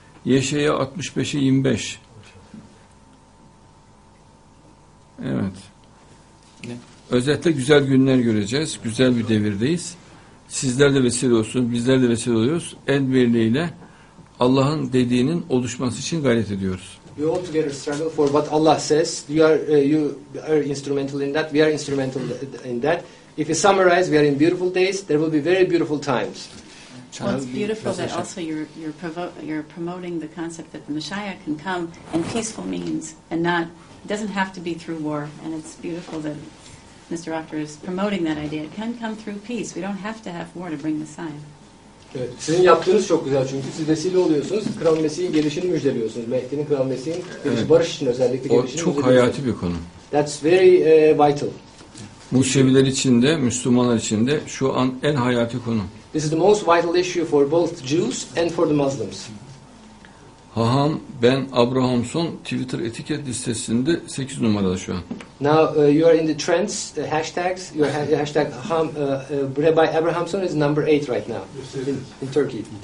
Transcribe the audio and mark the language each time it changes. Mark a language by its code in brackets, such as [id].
[tr] Yeşaya 65:25. Evet. Özetle güzel günler göreceğiz, güzel bir devirdeyiz. Sizler de vesile olsun, bizler de vesile oluyoruz. El birliğiyle Allah'ın dediğinin oluşması için gayret ediyoruz. [en] We all together struggle for what Allah says. You are instrumental in that. We are instrumental in that. If you summarize, we are in beautiful days. There will be very beautiful times. Well, it's beautiful that also you're promoting the concept that the Messiah can come in peaceful means and not, it doesn't have to be through war. And it's beautiful that Mr. Rafter is promoting that idea. It can come through peace. We don't have to have war to bring the sign. [tr] Evet, sizin yaptığınız çok güzel çünkü siz vesile oluyorsunuz, Kral Mesih'in gelişini müjdeliyorsunuz, Mehdi'nin Kral Mesih'in gelişi, evet. Barış için özellikle gelişini müjdeliyorsunuz. O çok hayati bir konu. [en] That's very vital. [tr] Museviler için de, Müslümanlar için de şu an en hayati konu. [en] This is the most vital issue for both Jews and for the Muslims. [tr] Haham Ben Abrahamson Twitter etiket listesinde 8 numarada şu an. [en] Now you are in the trends, hashtags. Your hashtag Haham Rabbi Abrahamson is number 8 right now in Turkey.